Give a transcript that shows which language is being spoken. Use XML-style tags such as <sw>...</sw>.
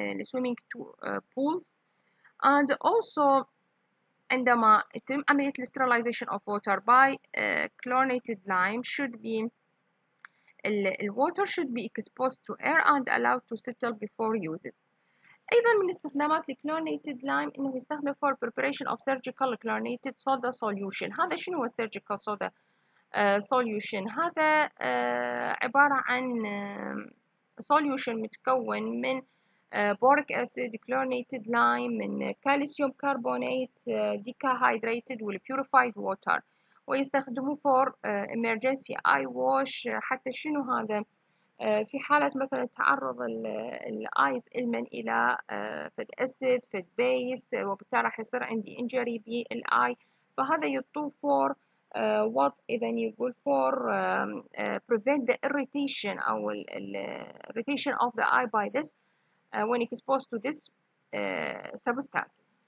<en>swimming pools and also</en> <ar>عندما يتم عملية</ar> <en>sterilization of water by chlorinated lime should be The water should be exposed to air and allowed to settle before uses.</en> <ar>أيضا من استخدامات الكلورينيتد لايم إنه يستخدم</ar> <en>for preparation of surgical chlorinated soda solution.</en> <ar>هذا شنو هو</ar> <en>surgical soda solution؟</en> <ar>هذا عبارة عن</ar> <en>solution متكون من boric acid, chlorinated lime, من calcium carbonate, dehydrated with purified water.</en> <ar>ويستخدموه</ar> <en>for emergency eye wash</en> <ar>حتى شنو هذا في حالة مثلا تعرض الايز المن الى فد اسيد فد بيس وبالتالي راح يصير عندي injury بالاي فهذا يطوف for what اذا يقول</ar> <en>for prevent the irritation</en> <ar>او</ar> <en>irritation of the eye by this when exposed to this substances.</en>